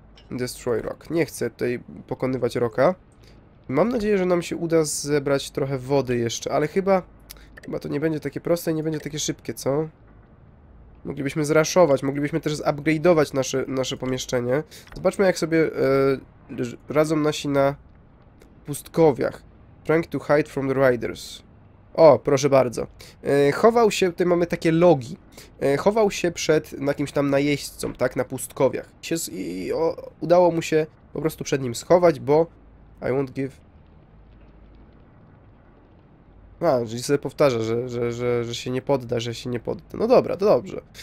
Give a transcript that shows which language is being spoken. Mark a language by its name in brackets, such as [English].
[English] Destroy rock. [Polish] Nie chcę tutaj pokonywać rocka. Mam nadzieję, że nam się uda zebrać trochę wody jeszcze, ale chyba to nie będzie takie proste i nie będzie takie szybkie, co? Moglibyśmy zraszować, moglibyśmy też zupgrade'ować nasze pomieszczenie. Zobaczmy, jak sobie radzą nasi na pustkowiach. [English] Trying to hide from the riders. [Polish] O, proszę bardzo. Chował się, tutaj mamy takie logi. Chował się przed jakimś tam najeźdźcą, tak, na pustkowiach. Udało mu się po prostu przed nim schować, bo... [English] I won't give... [Polish] A, czyli sobie powtarza, że się nie podda, że się nie podda. No dobra, to dobrze.